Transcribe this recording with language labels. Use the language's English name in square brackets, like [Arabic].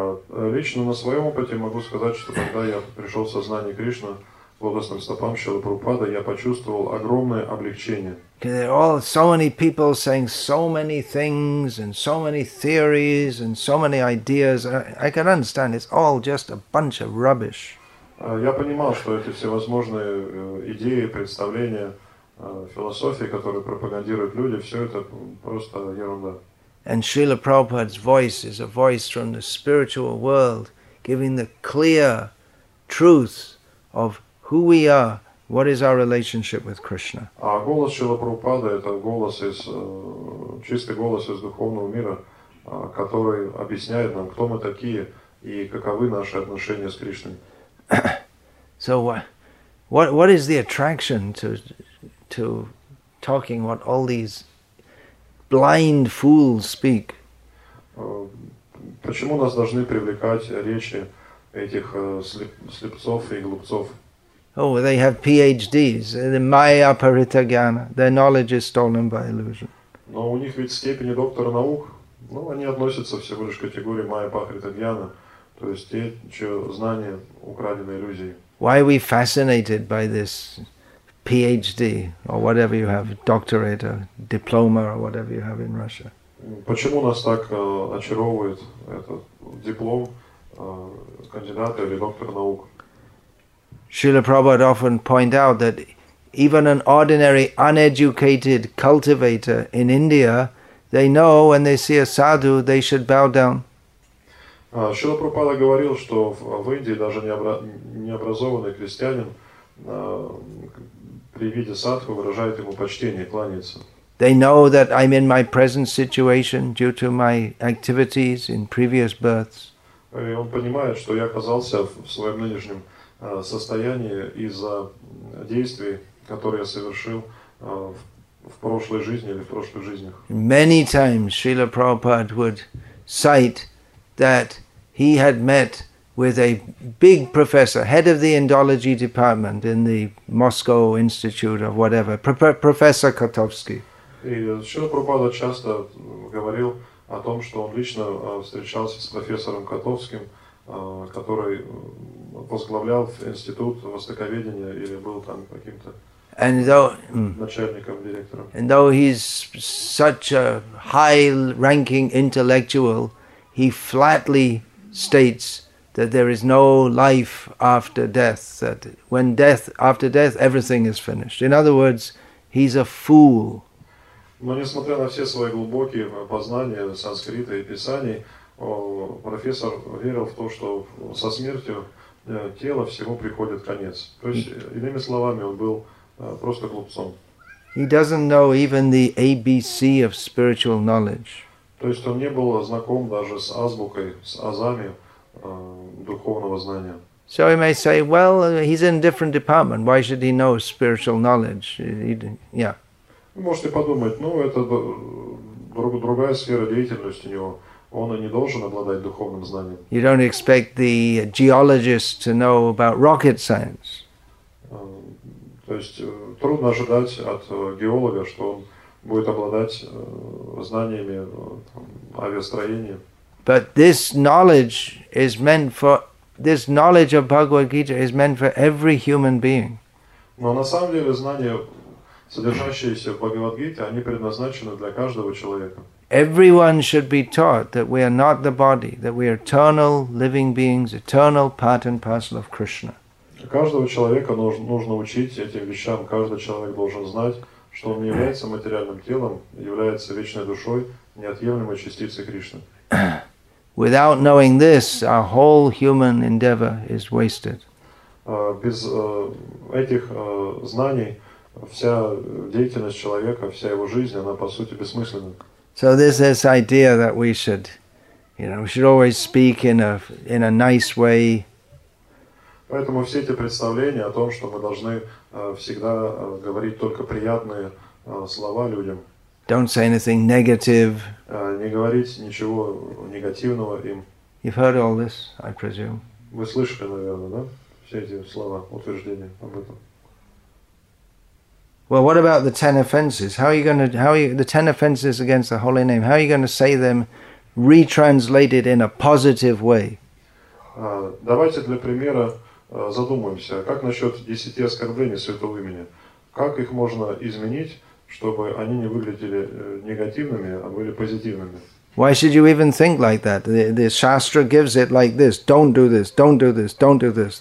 [Russian] Лично на своем опыте могу сказать, что когда я пришел в сознание Кришны, к лотосным стопам Шрилы Прабхупады, я почувствовал огромное облегчение. [English] There are all so many people saying so many things and so many theories and so many ideas. I can understand it's all just a bunch of rubbish. [Russian] Я понимал, что эти всевозможные идеи, представления, философии, которые пропагандируют люди, все это просто ерунда. [English] And Srila Prabhupada's voice is a voice from the spiritual world, giving the clear truth of who we are. What is our relationship with Krishna? [Russian] А голос Шрилы Прабхупады – это голос из чистый голос из духовного мира, который объясняет нам, кто мы такие и каковы наши отношения с Кришной. [English] So what is the attraction to talking what all these blind fools speak? [Russian] Почему нас должны привлекать речи этих слепцов и глупцов? [English] Oh, they have PhDs. The Maya Parita Gyana. Their knowledge is stolen by illusion. [Russian] Но у них ведь степени доктора наук. Ну, они относятся всего лишь к категории Maya Parita Gyana. То есть те, чьи знания украдены иллюзией. [English] Why are we fascinated by this PhD or whatever you have, doctorate or diploma or whatever you have in Russia? [Russian] Почему нас так очаровывает этот диплом кандидата или доктора наук? [English] Srila Prabhupada often point out that even an ordinary uneducated cultivator in India, they know when they see a sadhu, they should bow down. [Russian] Srila Prabhupada говорил, что в Индии даже необразованный крестьянин при виде садху выражает ему почтение, кланяется. [English] They know that I'm in my present situation due to my activities in previous births. [Russian] И он понимает, что я оказался в своем нынешнем состоянии из-за действий, которые я совершил в прошлой жизни или в прошлых жизнях. [English] Many times Srila Prabhupada would cite that he had met with a big professor, head of the Indology department in the Moscow Institute of whatever, Professor Kotovsky. [Russian] И Шрила Прабхупада часто говорил о том, что он лично встречался с профессором Котовским, который возглавлял институт востоковедения или был там каким-то начальником, директором. [English] And though he's such a high-ranking intellectual, he flatly states that there is no life after death, that when death, after death, everything is finished. In other words, he's a fool. [Russian] Но несмотря на все свои глубокие познания санскрита и писаний, профессор верил в то, что со смертью тела всего приходит конец. То есть, иными словами, он был просто глупцом. [English] He doesn't know even the ABC of spiritual knowledge. [Russian] То есть он не был знаком даже с азбукой, с азами духовного знания. [English] So he may say, well, he's in a different department. Why should he know spiritual knowledge? [Russian] Вы можете подумать, ну это другая сфера деятельности у него. Он и не должен обладать духовным знанием. [English] You don't expect the geologist to know about rocket science. [Russian] То есть трудно ожидать от геолога, что он будет обладать знаниями авиастроения. [English] But this knowledge is meant for this knowledge of Bhagavad Gita is meant for every human being. [Russian] Но на самом деле знания, содержащиеся в Бхагавад-гите, они предназначены для каждого человека. [English] Everyone should be taught that we are not the body, that we are eternal living beings, eternal part and parcel of Krishna. [Russian] Каждого человека нужно учить этим вещам. Каждый человек должен знать, что он не является материальным телом, является вечной душой, неотъемлемой частицей Кришны. [English] Without knowing this, our whole human endeavor is wasted. [Russian] Без этих знаний вся деятельность человека, вся его жизнь, она по сути бессмысленна. [English] So this idea that we should, you know, we should always speak in a nice way. [Russian] Поэтому все эти представления о том, что мы должны всегда говорить только приятные слова людям. [English] Don't say anything negative. [Russian] Не говорить ничего негативного им. [English] You've heard all this, I presume. [Russian] Вы слышали, наверное, да? Все эти слова, утверждения об этом. [English] Well, what about the 10 offenses? The 10 offenses against the holy name? How are you going to say them, retranslated in a positive way? [Russian] Давайте для примера задумаемся, как насчет 10 оскорблений святого имени? Как их можно изменить, чтобы они не выглядели негативными, а были позитивными? [English] Why should you even think like that? The Shastra gives it like this: don't do this, don't do this, don't do this.